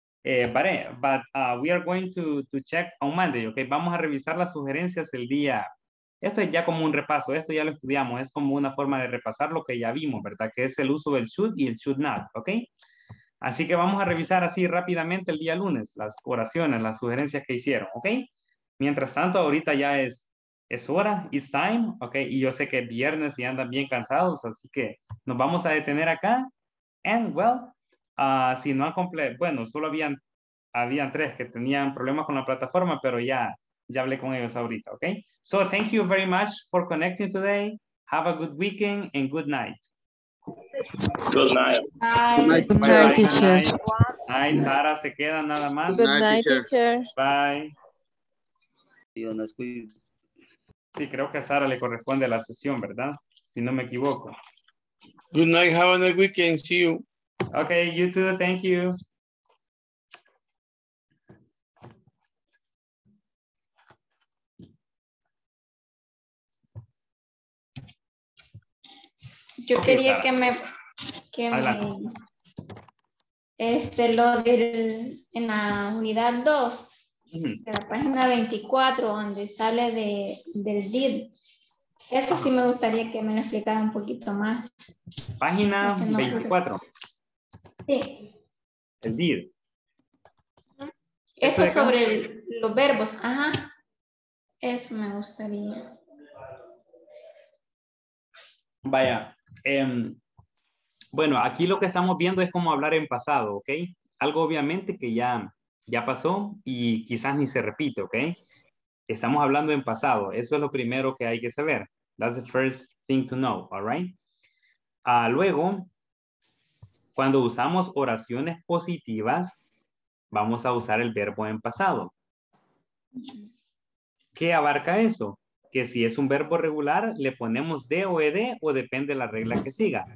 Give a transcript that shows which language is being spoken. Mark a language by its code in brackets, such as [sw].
[en] But we are going to check on Monday, okay? [es] Vamos a revisar las sugerencias el día. Esto es ya como un repaso, esto ya lo estudiamos, es como una forma de repasar lo que ya vimos, ¿verdad? Que es el uso del should y el should not, okay? Así que vamos a revisar así rápidamente el día lunes las oraciones, las sugerencias que hicieron, okay? Mientras tanto, ahorita ya es hora, [en] it's time, [es] ok, y yo sé que es viernes y andan bien cansados, así que nos vamos a detener acá, [en] and well, [es] si no han completado, bueno, solo habían tres que tenían problemas con la plataforma, pero ya hablé con ellos ahorita, ok, [en] so thank you very much for connecting today, have a good weekend and good night. Good night. Bye. Good night, teacher. [es] Ay, Sara, se queda nada más. [en] Good night, teacher. [es] Bye. Yo no estoy... Sí, creo que a Sara le corresponde la sesión, ¿verdad? Si no me equivoco. [en] Good night, have a nice weekend, see you. Okay, you too, thank you. [es] Yo okay, quería Sara. Que me... lo del... en la unidad 2... de la página 24, donde sale del DID. Eso sí me gustaría que me lo explicara un poquito más. Página 24. Sí. El DID. Eso sobre los verbos. Ajá. Eso me gustaría. Vaya. Bueno, aquí lo que estamos viendo es cómo hablar en pasado, ¿ok? Algo obviamente que ya pasó y quizás ni se repite, ¿ok? Estamos hablando en pasado. Eso es lo primero que hay que saber. [en] That's the first thing to know, all right? [es] Luego, cuando usamos oraciones positivas, vamos a usar el verbo en pasado. ¿Qué abarca eso? Que si es un verbo regular, le ponemos D o ED o depende de la regla que siga.